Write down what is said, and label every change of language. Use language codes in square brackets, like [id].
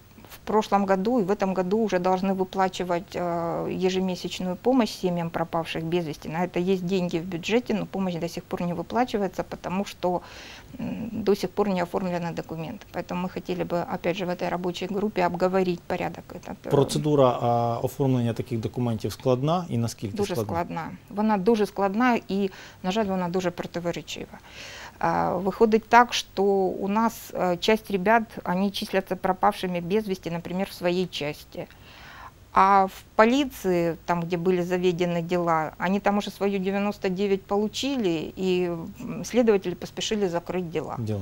[ru] В прошлом году и в этом году уже должны выплачивать ежемесячную помощь семьям пропавших без вести. На это есть деньги в бюджете, но помощь до сих пор не выплачивается, потому что до сих пор не оформлены документы. Поэтому мы хотели бы, опять же, в этой рабочей группе обговорить порядок этот. Процедура оформления таких документов [uk] складна [ru] и насколько [uk] дуже складна? Дуже складна. Вона дуже складна и, на жаль, вона дуже противоречива. [ru] Выходить так, что у нас часть ребят, они числятся пропавшими без вести, например, в своей части. А в полиции, там, где были заведены дела, они там уже свою 99 получили, и следователи поспешили закрыть дела.